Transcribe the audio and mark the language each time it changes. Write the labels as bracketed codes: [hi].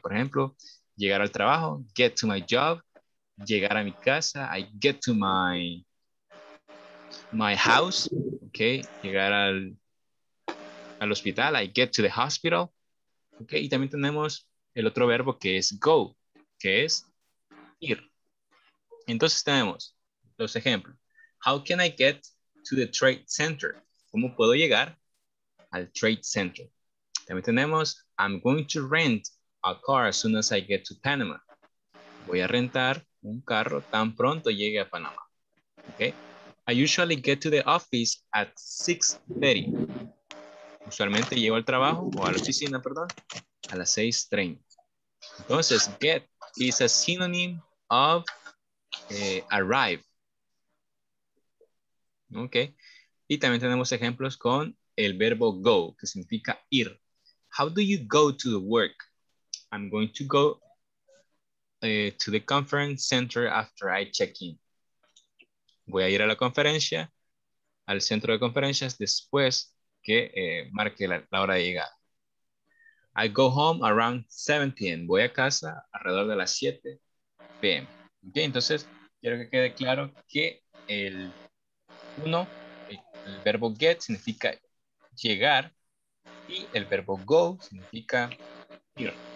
[es] Por ejemplo, llegar al trabajo, [en] get to my job, [es] llegar a mi casa, [en] I get to my house, okay, [es] llegar al hospital, [en] I get to the hospital. [es] Okay, y también tenemos el otro verbo que es go, que es ir. Entonces tenemos los ejemplos. [en] How can I get to the trade center? [es] ¿Cómo puedo llegar al trade center? También tenemos, [en] I'm going to rent a car as soon as I get to Panama. [es] Voy a rentar un carro tan pronto llegue a Panamá. Okay, [en] I usually get to the office at 6:30. [es] Usualmente llego al trabajo o a la oficina, perdón, a las 6:30. [en] Entonces, get is a synonym of arrive. [es] Okay. Y también tenemos ejemplos con el verbo go, que significa ir. [en] How do you go to the work? I'm going to go to the conference center after I check in. [es] Voy a ir a la conferencia, al centro de conferencias, después que marque la hora de llegada. [en] I go home around 7 p.m. [es] Voy a casa alrededor de las 7 p.m. Okay, entonces, quiero que quede claro que el uno, el verbo get significa llegar y el verbo go significa ir.